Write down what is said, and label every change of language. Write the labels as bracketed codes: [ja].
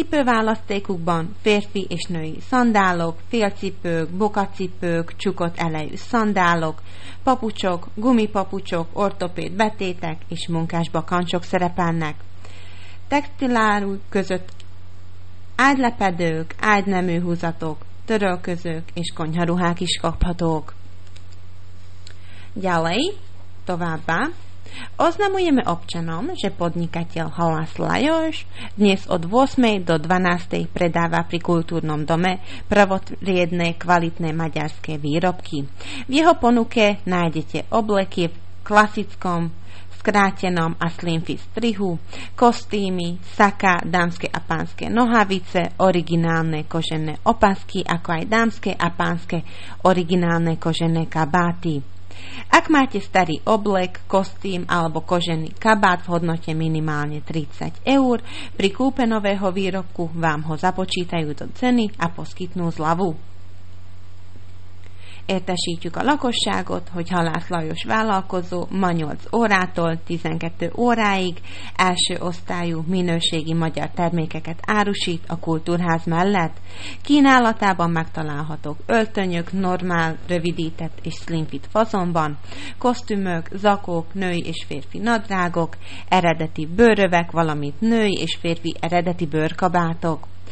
[hu] Cipőválasztékukban férfi és női szandálok, félcipők, bokacipők, csukott elejű szandálok, papucsok, gumipapucsok, ortopéd betétek és munkás bakancsok szerepelnek. Textiláruk között ágylepedők, ágyneműhúzatok, törölközők és konyharuhák is kaphatók. [sk] Ďalej, [hu] továbbá. [sk] Oznamujeme občanom, že podnikateľ Halász Lajos dnes od 8. do 12. predáva pri kultúrnom dome prvotriedne kvalitné maďarské výrobky. V jeho ponuke nájdete obleky v klasickom, skrátenom a slim fit strihu, kostýmy, saka, dámske a pánske nohavice, originálne kožené opasky, ako aj dámske a pánske originálne kožené kabáty. Ak máte starý oblek, kostým alebo kožený kabát v hodnote minimálne 30 eur, pri kúpe nového výrobku vám ho započítajú do ceny a poskytnú zľavu. [hu] Értesítjük a lakosságot, hogy Halász Lajos vállalkozó ma 8 órától 12 óráig első osztályú minőségi magyar termékeket árusít a kultúrház mellett. Kínálatában megtalálhatók öltönyök normál, rövidített és slim fit fazonban, kosztümök, zakók, női és férfi nadrágok, eredeti bőrövek, valamint női és férfi eredeti bőrkabátok.